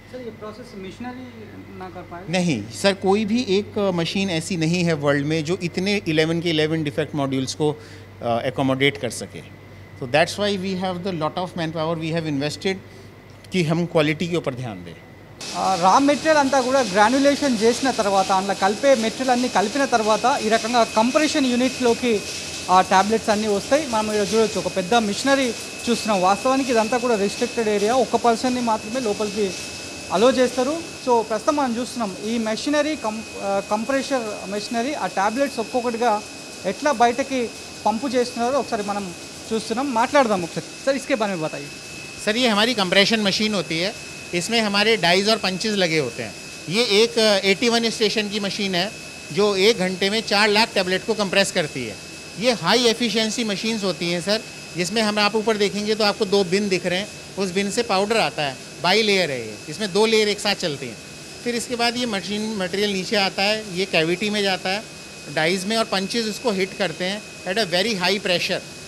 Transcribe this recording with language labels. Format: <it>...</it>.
<hi>Sir ये process machinery ना कर पाए? नहीं सर, कोई भी एक मशीन ऐसी नहीं है वर्ल्ड में जो इतने 11 के 11 डिफेक्ट मॉड्यूल्स को एकोमोडेट कर सके।</hi> <en>so that's why we have the lot of manpower we have invested</en> <hi>कि हम क्वालिटी के ऊपर ध्यान दें।</hi> <te>रा मेटीरियल అంతా కూడా గ్రానులేషన్ చేసిన తర్వాత అందులో కలిపే మెటీరియల్ అన్ని కలిపిన తర్వాత ఈ రకంగా కంప్రెషన్ యూనిట్ లోకి ఆ టాబ్లెట్స్ అన్నీ వస్తాయి. మనం ఇక్కడ చూడొచ్చు ఒక పెద్ద మిషనరీ చూస్తున్నాం. వాస్తవానికి ఇదంతా కూడా రిస్ట్రిక్టెడ్ ఏరియా, ఒక పర్సన్ని మాత్రమే లోపలికి అలో చేస్తారు. సో ప్రస్తుతం మనం చూస్తున్నాం ఈ మెషినరీ కంప్రెషర్ మెషినరీ ఆ టాబ్లెట్స్ ఒక్కొక్కటిగా ఎట్లా బయటకి పంపు చేస్తున్నారో ఒకసారి మనం చూస్తున్నాం, మాట్లాడదాం ఒకసారి సార్.</te> <hi>ఇస్కే బారే బతాయి సార్. ఇది హమారీ compression machine Holi high, ఇస్మే హమారే dice are punches లగే హోతే high. యే ఏక 81 స్టేషన్ కి మషీన్ హై జో 1 ఘంటే మే 4 లాఖ్ టాబ్లెట్ కో కంప్రెస్ కర్తీ హై. ये हाई एफिशिएंसी मशीन्स होती हैं सर, जिसमें हम आप ऊपर देखेंगे तो आपको 2 बिन दिख रहे हैं, उस बिन से पाउडर आता है बाई लेयर है, इसमें दो लेयर एक साथ चलते हैं। फिर इसके बाद ये मशीन मटेरियल नीचे आता है, ये कैविटी में जाता है डाइज में, और पंचेज इसको हिट करते हैं</hi> <en>At a very high pressure.</en>